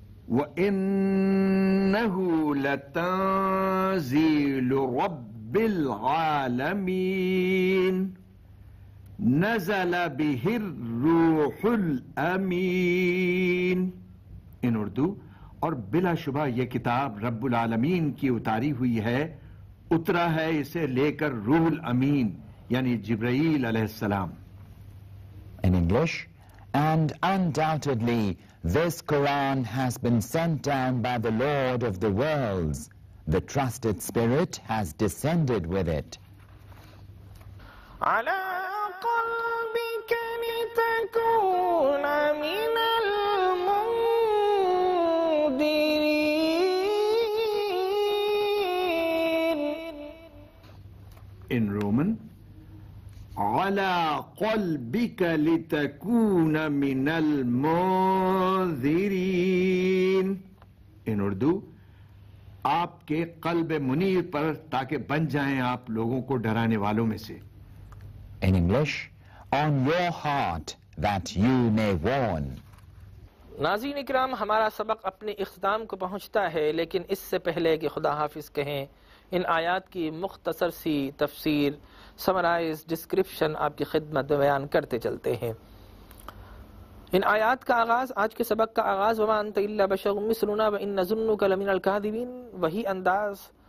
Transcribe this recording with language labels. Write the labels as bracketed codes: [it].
[ar] وَإِنَّهُ لَتَنْزِيلُ رَبِّ الْعَالَمِينَ نَزَلَ بِهِ الرُّوحُ الْأَمِينَ [en] In Urdu, [ur] اور بلا شبہ یہ کتاب رب العالمین کی اتاری ہوئی ہے اترا ہے اسے لے کر روح الامین یعنی جبرائیل علیہ السلام [en] In English, and undoubtedly This Quran has been sent down by the Lord of the worlds. The trusted spirit has descended with it. [ar] Ala qalbika litakuna min al-mundirin. [en] In Roman, [ar] عَلَىٰ قَلْبِكَ لِتَكُونَ مِنَ الْمُنذِرِينَ [en] In Urdu, [ur] آپ کے قلب منیر پر تاکہ بن جائیں آپ لوگوں کو ڈرانے والوں میں سے [en] In English, on your heart that you may warn [ur] ناظرین اکرام ہمارا سبق اپنے اختتام کو پہنچتا ہے لیکن اس سے پہلے کہ خدا حافظ کہیں ان آیات کی مختصر سی تفسیر سمرائز ڈسکرپشن آپ کی خدمت میں بیان کرتے چلتے ہیں ان آیات کا آغاز آج کے سبق کا آغاز [ar] وما انت الا بشر مثلنا وان نظنک لمن الكاذبین [ur] وہی انداز